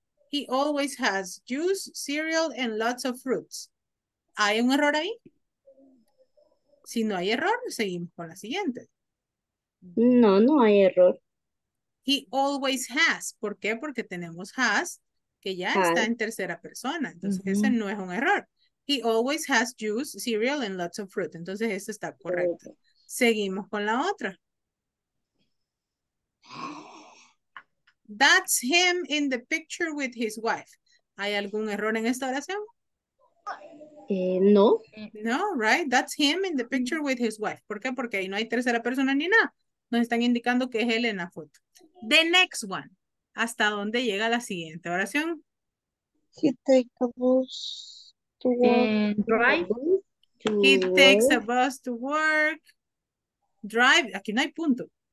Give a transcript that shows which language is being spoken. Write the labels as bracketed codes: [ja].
[en] He always has juice, cereal, and lots of fruits. [es] ¿Hay un error ahí? Si no hay error, seguimos con la siguiente. No, no hay error. [en] He always has. [es] ¿Por qué? Porque tenemos has, que ya está en tercera persona. Entonces, ese no es un error. [en] He always has juice, cereal, and lots of fruit. [es] Entonces, esto está correcto. Seguimos con la otra. [en] That's him in the picture with his wife. [es] ¿Hay algún error en esta oración? No. [en] No, right? That's him in the picture with his wife. [es] ¿Por qué? Porque ahí no hay tercera persona ni nada. Nos están indicando que es él en la foto. [en] The next one. [es] ¿Hasta dónde llega la siguiente oración? [en] He takes a bus to work. Takes a bus to work. Drive. [es] Aquí no hay punto.